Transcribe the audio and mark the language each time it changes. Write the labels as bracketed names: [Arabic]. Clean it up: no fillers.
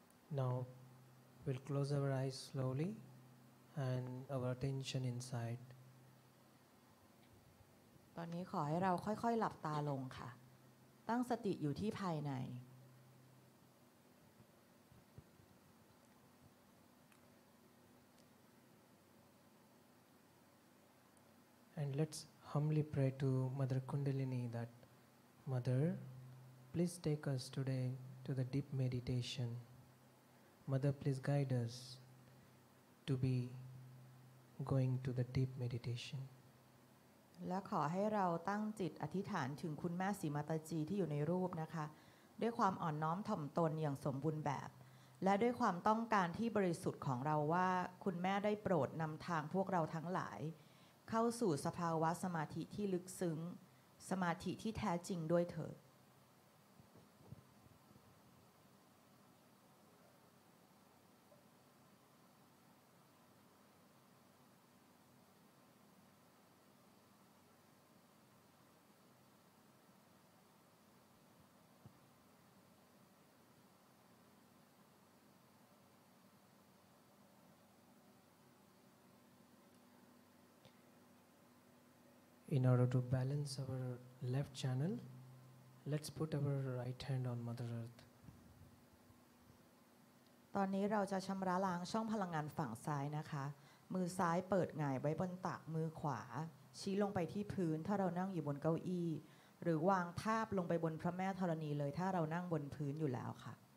[English] Now we'll close our eyes slowly and our attention inside. [Thai] ตอนนี้ขอให้เราค่อยๆหลับตาลงค่ะตั้งสติอยู่ที่ภายใน [English] And let's humbly pray to Mother Kundalini that Mother please take us today to the deep meditationMother, please guide us to be going to the deep meditation. [Thai] และขอให้เราตั้งจิตอธิษฐานถึงคุณแม่สีมาตาจีที่อยู่ในรูปนะคะด้วยความอ่อนน้อมถ่อมตนอย่างสมบูรณ์แบบและด้วยความต้องการที่บริสุทธิ์ของเราว่าคุณแม่ได้โปรดนำทางพวกเราทั้งหลายเข้าสู่สภาวะสมาธิที่ลึกซึ้งสมาธิที่แท้จริงด้วยเถิด [English] In order to balance our left channel, let's put our right hand on Mother Earth. [Thai] ตอนนี้เราจะชำระล้างช่องพลังงานฝั่งซ้ายนะคะมือซ้ายเปิดหงายไว้บนตักมือขวาชี้ลงไปที่พื้นถ้าเรานั่งอยู่บนเก้าอี้หรือวางทาบลงไปบนพระแม่ธรณีเลยถ้าเรานั่งบนพื้นอยู่แล้วค่ะ